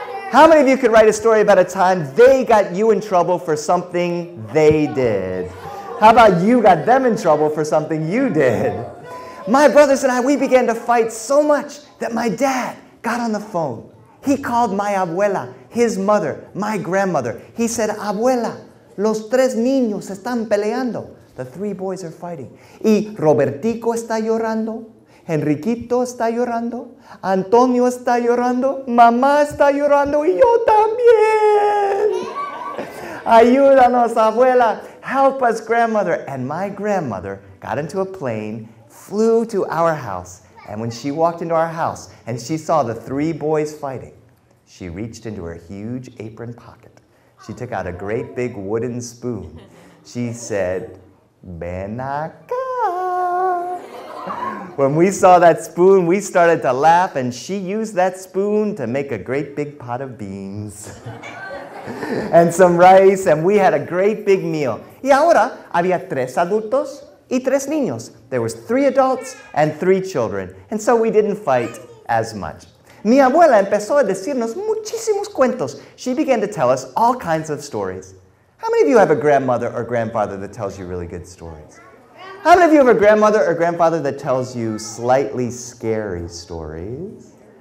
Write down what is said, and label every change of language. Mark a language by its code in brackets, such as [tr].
[en] How many of you could write a story about a time they got you in trouble for something they did? How about you got them in trouble for something you did? My brothers and I, we began to fight so much that my dad got on the phone. He called my abuela, his mother, my grandmother. He said, [es] abuela, los tres niños están peleando. [en] The three boys are fighting. [es] Y Robertico está llorando. Henriquito está llorando. Antonio está llorando. Mamá está llorando. Y yo también. Ayúdanos, abuela. [en] Help us, grandmother. And my grandmother got into a plane, flew to our house, and when she walked into our house and she saw the three boys fighting, she reached into her huge apron pocket. She took out a great big wooden spoon. She said, [es] ven acá. [en] When we saw that spoon, we started to laugh, and she used that spoon to make a great big pot of beans and some rice, and we had a great big meal. [es] Y ahora había tres adultos y tres niños. [en] There was three adults and three children, and so we didn't fight as much. [es] Mi abuela empezó a decirnos muchísimos cuentos. [en] She began to tell us all kinds of stories. How many of you have a grandmother or grandfather that tells you really good stories? How many of you have a grandmother or grandfather that tells you slightly scary stories?